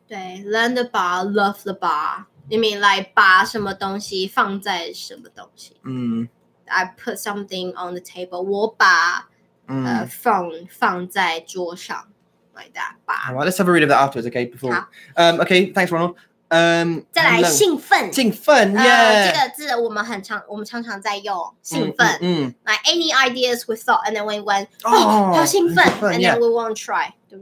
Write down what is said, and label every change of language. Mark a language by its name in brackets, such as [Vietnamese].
[English] 对, learn the 吧, love the 吧.You mean like [Chinese] 吧什么东西, 放在什么东西? [English] I put something on the table. [Chinese] 我把 phone 放在桌上. [English] Like that, all right, let's have a read of that afterwards, okay? Before, okay, thanks, Ronald. [Chinese] 再来兴奋，兴奋, [English] yeah. [Chinese] 这个字我们常常在用，兴奋. [English] Like any ideas we thought, and then we went, oh, [Chinese] 好兴奋, [English] and then we won't try.